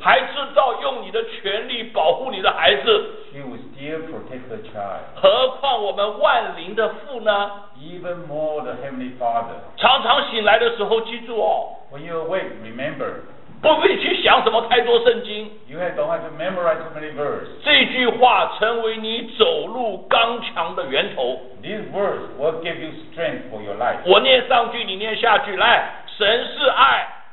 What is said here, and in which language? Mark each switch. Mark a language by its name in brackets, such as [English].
[Chinese] 还制造用你的权力保护你的孩子。 [English] She will still protect the child. [Chinese] 何况我们万灵的父呢？ [English] Even more the heavenly father. [Chinese] 常常醒来的时候，记住哦。 [English] When you awake, remember. [Chinese] 不必去想什么太多圣经。 [English] You don't have to memorize too many verses. [Chinese] 这句话成为你走路刚强的源头。 [English] These words will give you strength for your life. [Chinese] 我念上句，你念下句，来，神是爱。